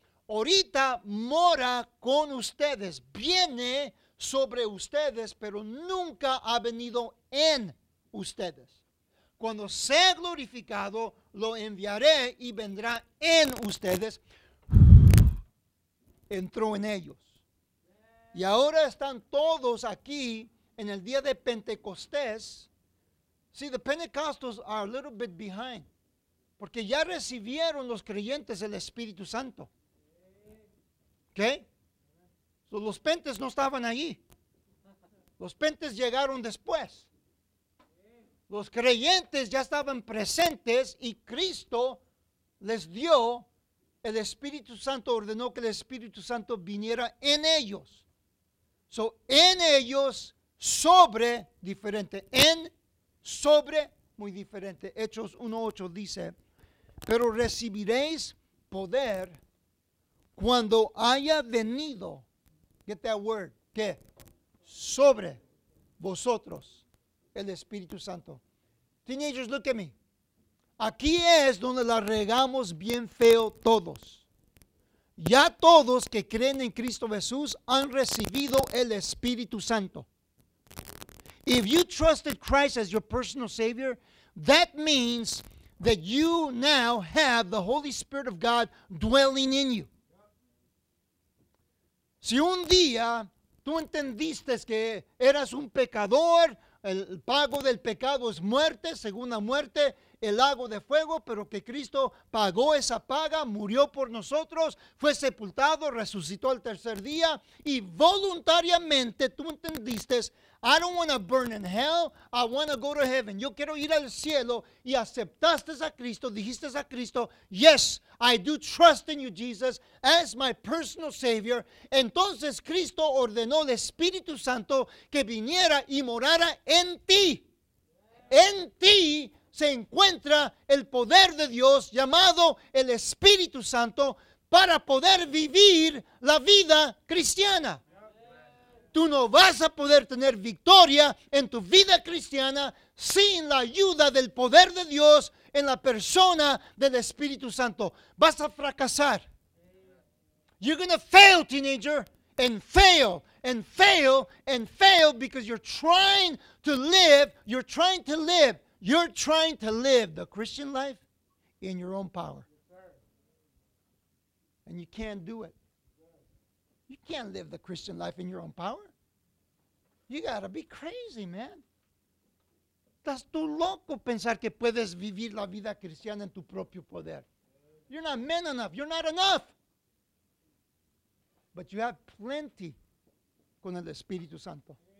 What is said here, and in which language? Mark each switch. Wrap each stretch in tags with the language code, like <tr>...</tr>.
<es>Ahorita mora con ustedes, viene sobre ustedes, pero nunca ha venido en ustedes. Cuando sea glorificado, lo enviaré y vendrá en ustedes. Entró en ellos. Y ahora están todos aquí en el día de Pentecostés.</es> <en>See, the Pentecostals are a little bit behind.</en> <es>Porque ya recibieron los creyentes el Espíritu Santo. ¿Qué? Los pentes no estaban ahí. Los pentes llegaron después. Los creyentes ya estaban presentes y Cristo les dio el Espíritu Santo, ordenó que el Espíritu Santo viniera en ellos. So, en ellos, sobre, diferente. En, sobre, muy diferente. Hechos 1:8 dice, pero recibiréis poder cuando haya venido.</es> <en>Get that word,</en> <es>que sobre vosotros el Espíritu Santo.</es> <en>Teenagers, look at me.</en> <es>Aquí es donde la regamos bien feo todos. Ya todos que creen en Cristo Jesús han recibido el Espíritu Santo.</es> <en>If you trusted Christ as your personal Savior, that means that you now have the Holy Spirit of God dwelling in you.</en> <es>Si un día tú entendiste que eras un pecador, el pago del pecado es muerte, segunda muerte, el lago de fuego, pero que Cristo pagó esa paga, murió por nosotros, fue sepultado, resucitó al tercer día, y voluntariamente tú entendiste,</es> <en>I don't want to burn in hell, I want to go to heaven.</en> <es>Yo quiero ir al cielo, y aceptaste a Cristo, dijiste a Cristo,</es> <en>yes, I do trust in you, Jesus, as my personal Savior.</en> <es>Entonces Cristo ordenó al Espíritu Santo que viniera y morara en ti. En ti se encuentra el poder de Dios llamado el Espíritu Santo para poder vivir la vida cristiana. Tú no vas a poder tener victoria en tu vida cristiana sin la ayuda del poder de Dios en la persona del Espíritu Santo. Vas a fracasar.</es> <en>You're going to fail, teenager, and fail, and fail, and fail because you're trying to live the Christian life in your own power. And you can't do it. You can't live the Christian life in your own power. You gotta be crazy, man.</en> <es>Estás tú loco pensar que puedes vivir la vida cristiana en tu propio poder.</es> <en>You're not man enough. You're not enough. But you have plenty</en> <es>con el Espíritu Santo.</es>